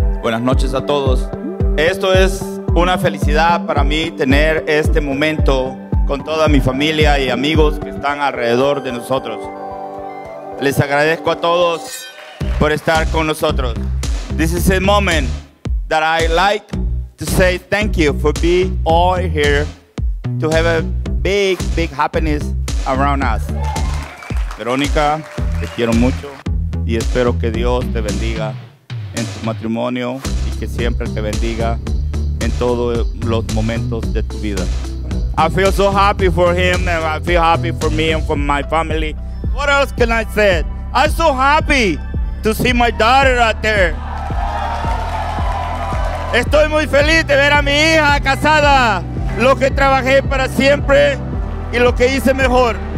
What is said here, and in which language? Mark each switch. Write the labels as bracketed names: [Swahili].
[Spanish] Buenas noches a todos. Esto es una felicidad para mí tener este momento con toda mi familia y amigos que están alrededor de nosotros. Les agradezco a todos por estar con nosotros. [English] This is a moment that I like to say thank you for being all here to have a big, big happiness around us. [Spanish] Veronica, te quiero mucho y espero que Dios te bendiga en tu matrimonio y que siempre te bendiga en todos los momentos de tu vida. [English] I feel so happy for him and I feel happy for me and for my family. What else can I say? I'm so happy to see my daughter out there. [Spanish] Estoy muy feliz de ver a mi hija casada, lo que trabajé para siempre y lo que hice mejor.